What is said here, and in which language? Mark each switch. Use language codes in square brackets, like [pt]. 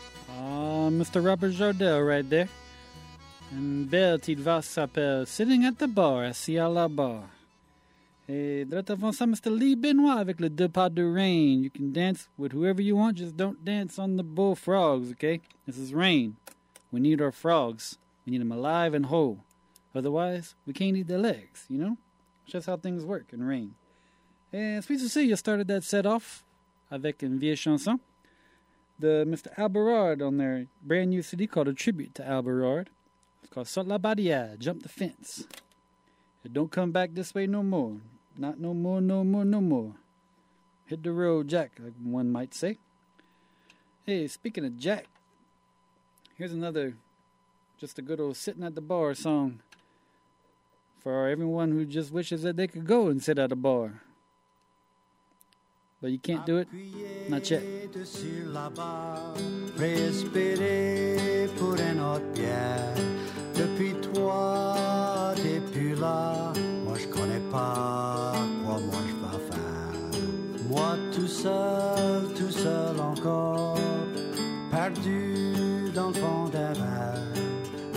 [en] Mr. Robert Jardel right there. And Belle Tite Voss [fr] s'appelle [en] Sitting at the Bar, [fr] assis à la bar. Et droit avant ça, Mr. Lee Benoit avec le Deux Pas de Rain. [en] You can dance with whoever you want, just don't dance on the bullfrogs, okay? This is rain. We need our frogs. We need them alive and whole. Otherwise, we can't eat their legs, you know? It's just how things work in rain. And sweet to see you started that set off [fr] avec une vieille chanson. [en] The Mr. Al Berard on their brand new CD called A Tribute to Al Berard. It's called Saut la Barrière, Jump the Fence. And don't come back this way no more. Not no more, no more, no more. Hit the road, Jack, like one might say. Hey, speaking of Jack, here's another just a good old sitting at the bar song for everyone who just wishes that they could go and sit at a bar. But you can't do it, not yet. [fr] Sur la barre, respirer pour un autre bière. Depuis toi, t'es plus là. Moi, je connais pas quoi moi je vais faire. Moi, tout seul encore, perdu dans le fond des rêves.